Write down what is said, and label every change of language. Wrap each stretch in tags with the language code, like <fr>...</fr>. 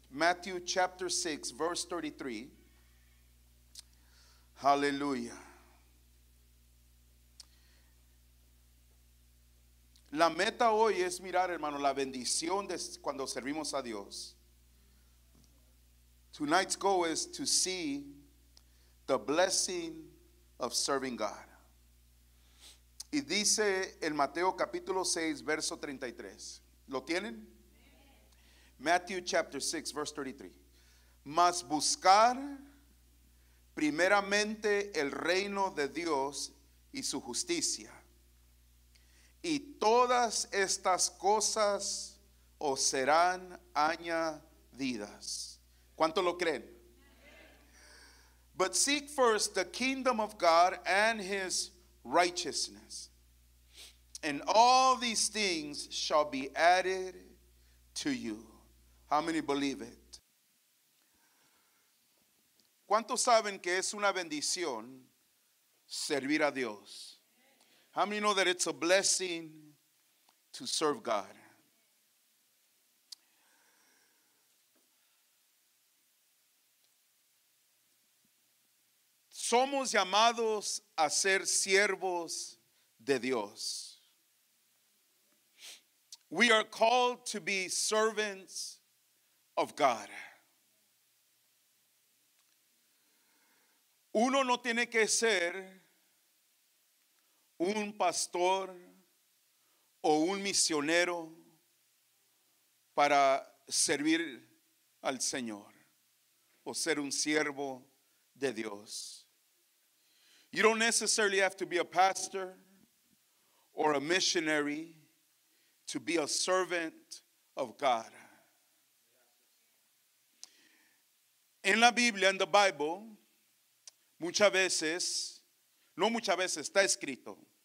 <en>Matthew chapter 6, verse 33. Hallelujah.</en> <es>La meta hoy es mirar, hermano, la bendición de cuando servimos a Dios.</es> <en>Tonight's goal is to see the blessing of serving God.</en> <es>Y dice en Mateo capítulo 6, verso 33. ¿Lo tienen?</es> <en>Matthew chapter 6, verse 33.</en> <es>Mas buscar primeramente el reino de Dios y su justicia, y todas estas cosas os serán añadidas. ¿Cuánto lo creen?</es> <en>But seek first the kingdom of God and his righteousness, and all these things shall be added to you. How many believe it?</en> <es>¿Cuántos saben que es una bendición servir a Dios?</es> <en>How many know that it's a blessing to serve God?</en> <es>Somos llamados a ser siervos de Dios.</es> <en>We are called to be servants of God.</en> <es>Uno no tiene que ser un pastor o un misionero para servir al Señor o ser un siervo de Dios.</es> <en>You don't necessarily have to be a pastor or a missionary to be a servant of God.</en> <es>En la Biblia,</es> <en>in the Bible,</en> <es>muchas veces, no muchas veces, está escrito.</es>